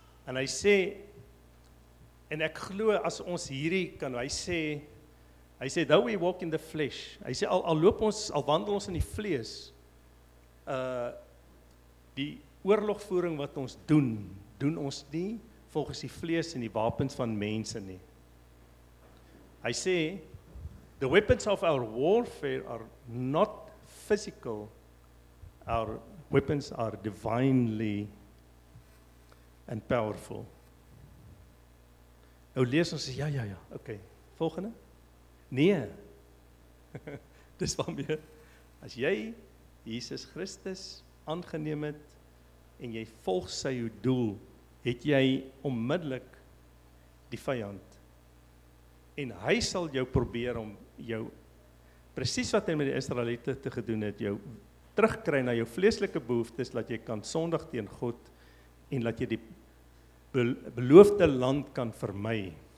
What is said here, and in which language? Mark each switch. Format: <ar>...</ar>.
<af>En hy sê, en ek glo as ons hierdie kan, hy sê,</af> <en>though we walk in the flesh,</en> <af>hy sê, al wandel ons in die vlees, die oorlogvoering wat ons doen ons nie volgens die vlees en die wapens van mense nie.</af> <en>Hy sê, the weapons of our warfare are not physical, our weapons are divinely and powerful.</en> <af>Nou lees ons, ja, ok, volgende. Nee, dis waarmee, as jy Jesus Christus aangeneem het, en jy volg sy doel, het jy onmiddellik die vijand, en hy sal jou probeer om jou, precies wat hy met die Israeliete te gedoen het, jou terugkry na jou vleeslike behoeftes, dat jy kan sondig teen God, en dat jy die beloofde land kan vermy.</af>